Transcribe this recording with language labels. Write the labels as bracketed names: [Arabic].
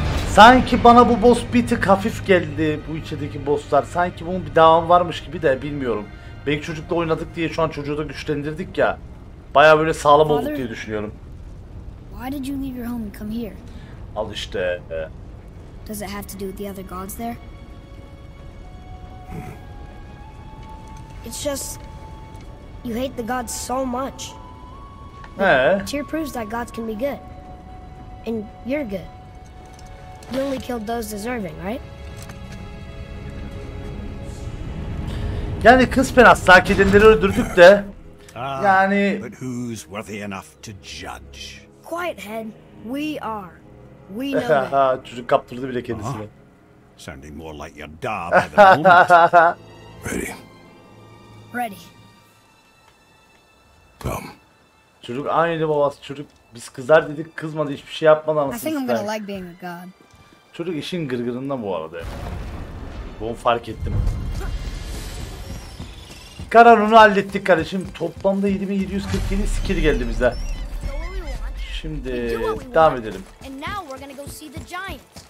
[Turkish] Sanki bana bu boss bir tık hafif geldi, bu içindeki bosslar. Sanki bunun bir devamı varmış gibi de bilmiyorum. Belki çocukla oynadık diye şu an çocuğu da güçlendirdik ya. Baya böyle sağlam olduk diye düşünüyorum. [English] Why did you leave your home and come here? [Turkish] Al işte. [English] Does it have to do with the other gods there? It's just... you hate the gods so much. Tyr proves that gods can be good. And you're good. You only killed those deserving, right? [Turkish] Yani kız ben asla kedileri öldürdük de. Yani... [English] But who's worthy enough to judge? Quiet, head. We are. We know that. [Turkish] Çocuk kaptırdı bile kendisini. [English] Sounding more like your da by the moment. Ready. Ready. Come. [Turkish] Çocuk aynı babası çocuk. Biz kızar dedik kızmadı hiçbir şey yapmadı ama [English] I think I'm gonna like being a god. [Turkish] Çocuk işin gırgırında bu arada. Bunu fark ettim. Kararını hallettik kardeşim. Toplamda 7747 skill geldi bize. Şimdi devam edelim. [English] And now we're gonna go see the giant.